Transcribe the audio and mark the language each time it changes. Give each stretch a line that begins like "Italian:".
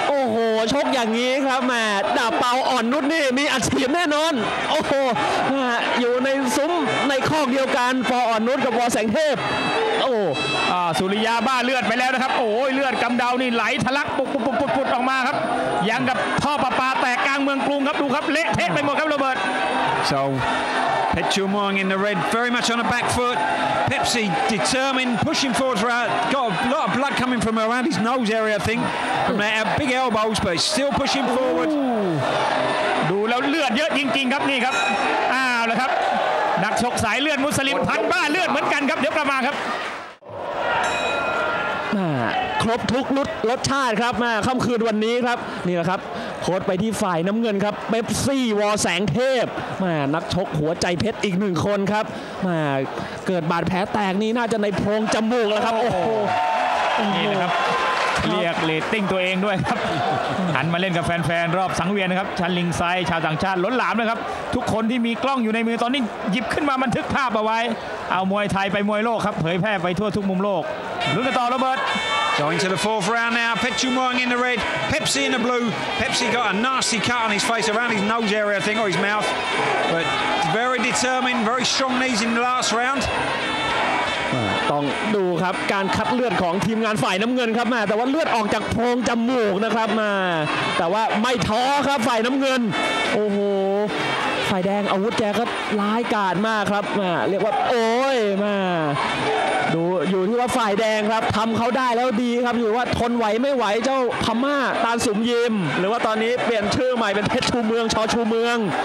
Thai: โอ้โหชกอย่างนี้ครับแม่ดาบเปาอ่อนนุชนี่มีอัดฉีดแน่นอนโอ้โหอยู่ในซุ้มในข้อเดียวกันปออ่อนนุชกับปอแสงเทพโอ้สุริยาบ้าเลือดไปแล้วนะครับโอ้ยเลือดกำเดานี่ไหลทะลักปุดๆๆออกมาครับยังกับท่อประปาแตกกลางเมืองกรุงครับดูครับเละเทะไปหมดครับโรเบิร์ต
English: So Pechumong in the red very much on the back foot Pepsi determined pushing forward throughout got a lot of blood coming from around his nose area I think from there big elbows but he's still pushing forward
Thai: ดูแล้วเลือดเยอะจริงๆครับนี่ครับอ้าวแล้วครับนักชกสายเลือดมุสลิมพันบ้าเลือดเหมือนกันครับเดี๋ยวกลับมาครับ ครบทุกรสชาติครับมาค่ำคืนวันนี้ครับนี่แหละครับโค้ดไปที่ฝ่ายน้ำเงินครับเป๊ปซี่วอแสงเทพมานักชกหัวใจเพชรอีกหนึ่งคนครับมาเกิดบาดแผลแตกนี่น่าจะในโพรงจมูกแล้วครับโอ้โห นี่นะครับ เรียกเรตติ้งตัวเองด้วยครับหันมาเล่นกับแฟนๆรอบสังเวียนนะครับชันลิงไซชาวต่างชาติล้นหลามนะครับทุกคนที่มีกล้องอยู่ในมือตอนนี้หยิบขึ้นมาบันทึกภาพเอาไว้เอามวยไทยไปมวยโลกครับเผยแพร่ไปทั่วทุกมุมโลกลุ้นกันต่อโรเบิร์ต
English: Going to the fourth round now Pechu Mwang in the red Pepsi in the blue Pepsi got a nasty cut on his face around his nose area I think or his mouth but very determined very strong knees in the last round
Thai: ต้องดูครับการคัดเลือดของทีมงานฝ่ายน้ำเงินครับแม่แต่ว่าเลือดออกจากโพรงจมูกนะครับมาแต่ว่าไม่ท้อครับฝ่ายน้ำเงินโอ้โหฝ่ายแดงอาวุธแกก็ร้ายกาจมากครับแม่เรียกว่าโอ้ยมาดูอยู่ที่ว่าฝ่ายแดงครับทำเขาได้แล้วดีครับอยู่ว่าทนไหวไม่ไหวเจ้าพม่าตาลสุมยิมหรือว่าตอนนี้เปลี่ยนชื่อใหม่เป็นเพชรชูเมืองชอชูเมือง